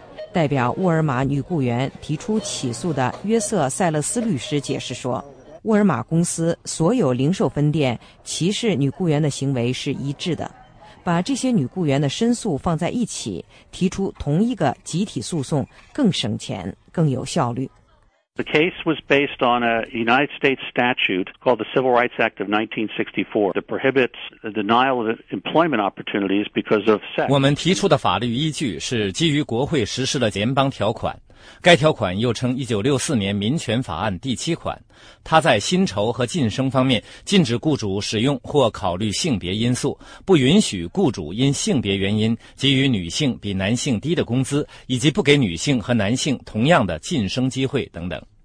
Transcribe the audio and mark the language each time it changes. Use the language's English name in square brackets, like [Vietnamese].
[Chinese] 代表沃尔玛女雇员提出起诉的约瑟·塞勒斯律师解释说，沃尔玛公司所有零售分店歧视女雇员的行为是一致的，把这些女雇员的申诉放在一起，提出同一个集体诉讼更省钱，更有效率。 [English] The case was based on a United States statute called the Civil Rights Act of 1964 that prohibits the denial of employment opportunities because of sex. [Chinese] 我们提出的法律依据是基于国会实施的联邦条款，该条款又称1964年民权法案第七款，它在薪酬和晋升方面禁止雇主使用或考虑性别因素，不允许雇主因性别原因给予女性比男性低的工资，以及不给女性和男性同样的晋升机会等等。